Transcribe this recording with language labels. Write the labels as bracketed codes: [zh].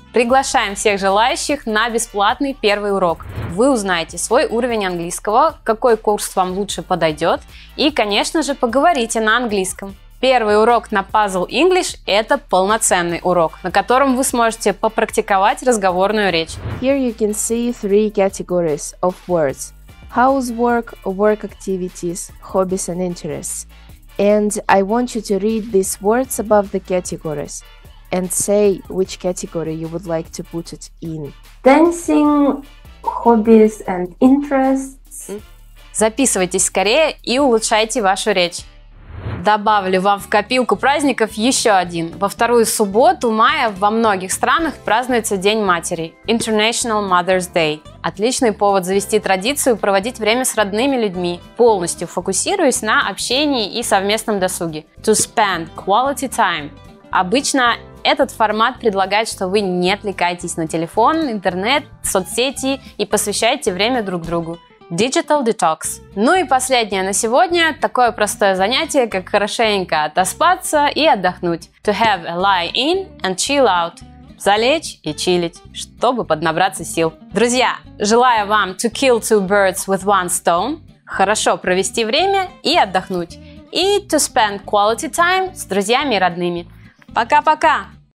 [ru] Приглашаем всех желающих на бесплатный первый урок. Вы узнаете свой уровень английского, какой курс вам лучше подойдет, и, конечно же, поговорите на английском. Первый урок на Puzzle English – это полноценный урок, на котором вы сможете попрактиковать разговорную речь. [en] Here you can see three categories of words. Housework, work activities, hobbies and interests. And I want you to read these words above the categories and say which category you would like to put it in. Dancing, hobbies and interests. [ru] Записывайтесь скорее и улучшайте вашу речь. Добавлю вам в копилку праздников еще один. Во вторую субботу мая во многих странах празднуется День матери – International Mother's Day. Отличный повод завести традицию проводить время с родными людьми, полностью фокусируясь на общении и совместном досуге. [en] To spend quality time. [ru] Обычно этот формат предлагает, что вы не отвлекаетесь на телефон, интернет, соцсети и посвящаете время друг другу. [en] Digital Detox. [ru] Ну и последнее на сегодня. Такое простое занятие, как хорошенько отоспаться и отдохнуть. [en] To have a lie in and chill out. [ru] Залечь и чилить, чтобы поднабраться сил. Друзья, желаю вам [en] to kill two birds with one stone. [ru] Хорошо провести время и отдохнуть. И [en] to spend quality time [ru] с друзьями и родными. Пока-пока!